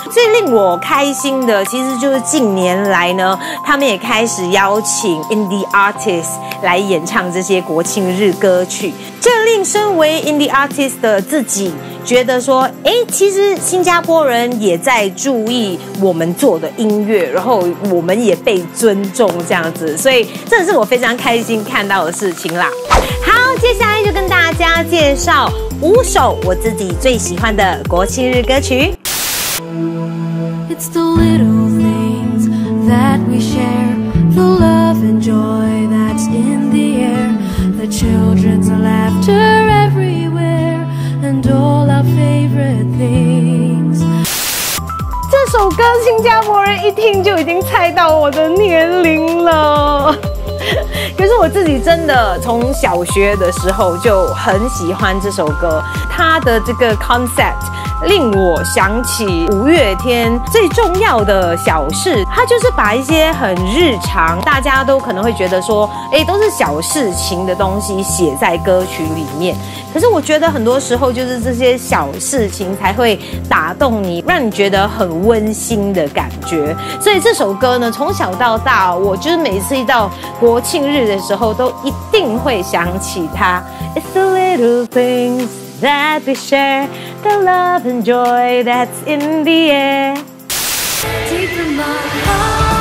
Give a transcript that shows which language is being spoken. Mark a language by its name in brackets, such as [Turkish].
[Chinese] 最令我开心的其实就是近年来呢，他们也开始邀请 Indie Artist 来演唱这些国庆日歌曲，这令身为 Indie Artist 的自己觉得说，哎，其实新加坡人也在注意我们做的音乐，然后我们也被尊重这样子，所以这是我非常开心看到的事情啦。好，接下来就跟大家介绍五首我自己最喜欢的国庆日歌曲。 [English] It's the little things that we share, the love and joy that's in the air, the children's laughter everywhere, and all our favorite things. [Chinese] 这首歌新加坡人一听就已经猜到我的年龄了。可是我自己真的从小学的时候就很喜欢这首歌，它的这个 concept 令我想起五月天《最重要的小事》，它就是把一些很日常，大家都可能会觉得说，哎，都是小事情的东西写在歌曲里面。可是我觉得很多时候就是这些小事情才会打动你，让你觉得很温馨的感觉。所以这首歌呢，从小到大，我就是每次一到国庆日的时候都一定会想起它。 [English] It's the little things that we share, the love and joy that's in the air.